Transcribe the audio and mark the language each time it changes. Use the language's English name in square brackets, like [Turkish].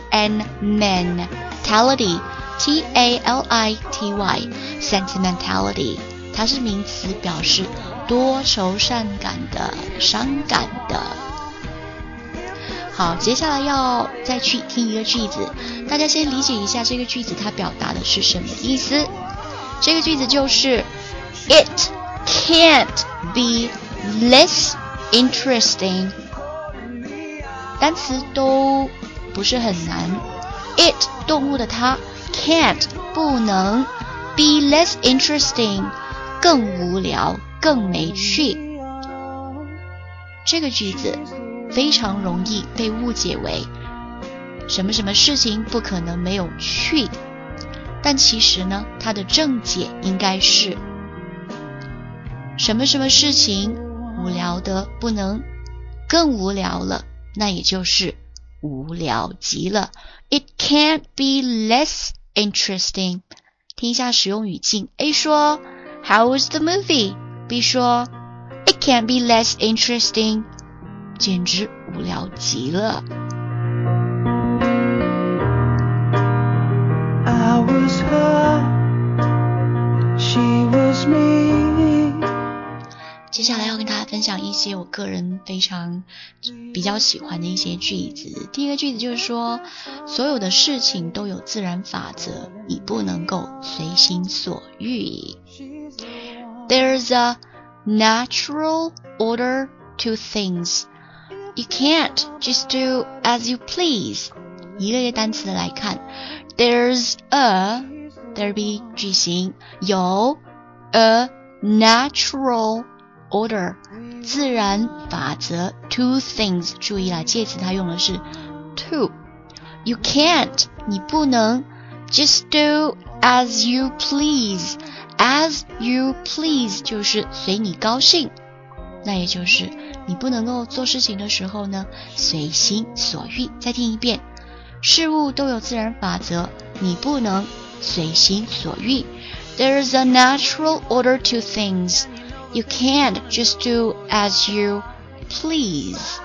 [Chinese] sentimentality t-a-l-i-t-y sentimentality， 它是名词，表示多愁善感的、伤感的。好，接下来要再去听一个句子，大家先理解一下这个句子它表达的是什么意思。这个句子就是 [English] It can't be less interesting。 [Chinese] 单词都不是很难， It 动物的它 can't 不能 [English] be less interesting [Chinese] 更无聊更没趣。这个句子非常容易被误解为什么什么事情不可能没有趣，但其实呢，它的正解应该是什么什么事情无聊得不能更无聊了，那也就是无聊极了。 [English] It can't be less interesting。 [Chinese] 听一下使用语境， A 说 [English] How was the movie？ B 说 It can't be less interesting， [Chinese] 简直无聊极了。 [English] I was her, she was me。 [Chinese] 接下来要跟大家分享一些我个人非常比较喜欢的一些句子。第一个句子就是说，所有的事情都有自然法则，你不能够随心所欲。 [English] There's a natural order to things. You can't just do as you please. [Chinese] 一个一个单词来看， [English] There's a, there be [Chinese] 句型，有 [English] a natural order, [Chinese] 自然法则， [English] two things, [Chinese] 注意了，介词它用的是 to. [English] You can't, [Chinese] 你不能， [English] just do as you please. As you please, [Chinese] 就是随你高兴，那也就是你不能够做事情的时候呢，随心所欲。再听一遍，事物都有自然法则，你不能随心所欲。 [English] There's a natural order to things. You can't just do as you please.